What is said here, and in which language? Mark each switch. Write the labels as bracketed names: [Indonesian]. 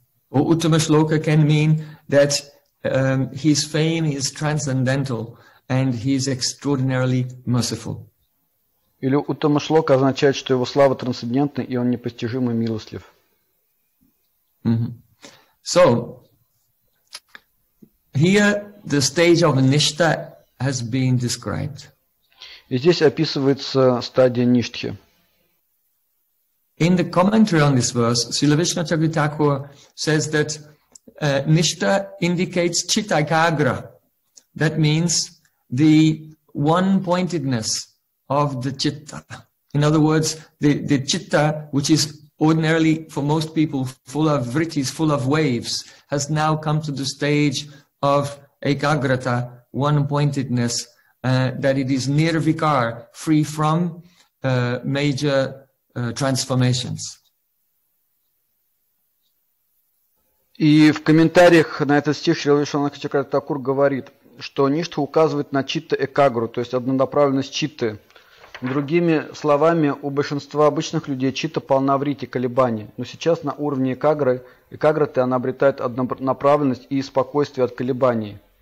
[English] Uttama shloka can mean that his fame is transcendental and he is extraordinarily merciful. [Russian] Или Uttama shloka означает, что его слава трансцендентна и он непостижимо милостлив. [English] So here the stage of nishta has been described. [Russian] И здесь описывается стадия ништхи. [English] In the commentary on this verse, Srila Vishnachakri Thakur says that nishta indicates chitagagra. That means the one-pointedness of the chitta. In other words, the chitta, which is ordinarily for most people full of vrittis, full of waves, has now come to the stage of ekagrata, one-pointedness, that it is nirvikar, free from major transformations. [Russian] И в комментариях на этот стих Шри Вишванатха Чакравартти Такур говорит, что ништха указывает на читта экагру, то есть однонаправленность читты. Другими словами, у большинства обычных людей читта полна вритти, колебаний. Но сейчас на уровне экагры, экагроты, она обретает однонаправленность и спокойствие от колебаний.